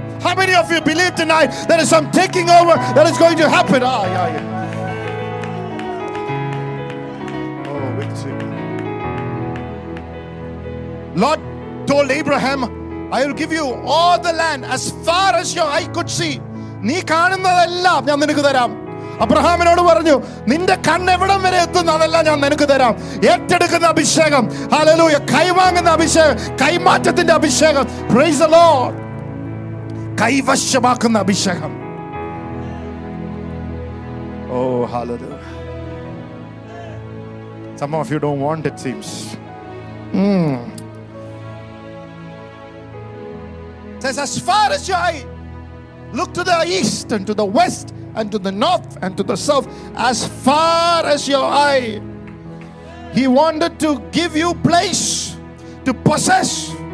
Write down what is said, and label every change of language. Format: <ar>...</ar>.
<en>How many of you believe tonight there is some taking over that is going to happen? Ah, yeah, yeah. Oh, victory. Lord told Abraham, I will give you all the land as far as your eye could see.</en> <ml>നീ കാണുന്നതെല്ലാം ഞാൻ നിനക്ക് തരാം. അബ്രഹാമിനോട് പറഞ്ഞു, നിന്റെ കണ്ണെവിടം വരെ എത്തുന്ന അതെല്ലാം ഞാൻ നിനക്ക് തരാം. ഏറ്റെടുക്കുന്ന അഭിഷേകം, ഹല്ലേലൂയ, കൈവാങ്ങുന്ന അഭിഷേകം, കൈമാറ്റത്തിന്റെ അഭിഷേകം,</ml> <en>praise the lord,</en> <ml>കൈവശമാക്കുന്ന അഭിഷേകം.</ml> <en>Oh hallelujah. Some of you don't want it seems. It says, as far as your eye, look to the east and to the west and to the north and to the south, as far as your eye. He wanted to give you place to possess.</en>